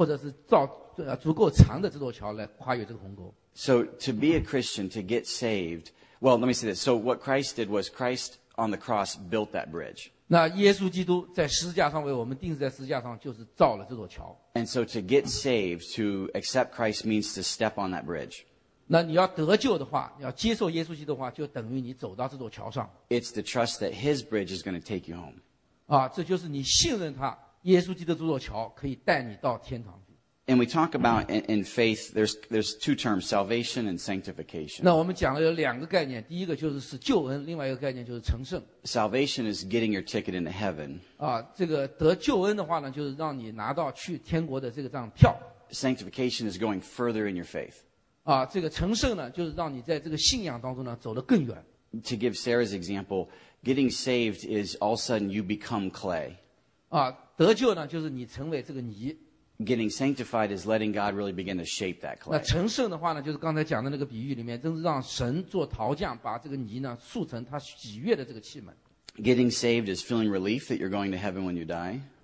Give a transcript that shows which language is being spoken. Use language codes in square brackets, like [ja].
[zh] 但是你不可能做好的足够或者是造足够长的这座桥来跨越这个鸿沟。 [en] So to be a Christian, to get saved, well, let me say this. So what Christ did was Christ on the cross built that bridge. [zh] 那耶稣基督在十字架上为我们钉死在十字架上就是造了这座桥。 [en] And so to get saved, to accept Christ means to step on that bridge. [zh] 那你要得救的话，要接受耶稣基督的话，就等于你走到这座桥上。 [en] It's the trust that His bridge is going to take you home. [zh] 这就是你信任他，耶稣基督这座桥可以带你到天堂。 [en] And we talk about in faith, there's two terms, salvation and sanctification. [zh] 那我们讲了有两个概念, 第一个就是救恩, 另外一个概念就是成圣。 [en] Salvation is getting your ticket into heaven. [zh] 这个得救恩的话呢, 就是让你拿到去天国的这个张票。 [en] Sanctification is going further in your faith. [zh] 这个成圣呢, 就是让你在这个信仰当中呢, 走得更远。 [en] To give Sarah's example, getting saved is all of a sudden you become clay. [zh] 得救呢, 就是你成为这个泥。 [en] Getting sanctified is letting God really begin to shape that clay. [zh] 那成圣的话呢，就是刚才讲的那个比喻里面，真是让神做陶匠，把这个泥呢塑成他喜悦的这个器皿。 [en] Getting saved is feeling relief that you're going to heaven when you die.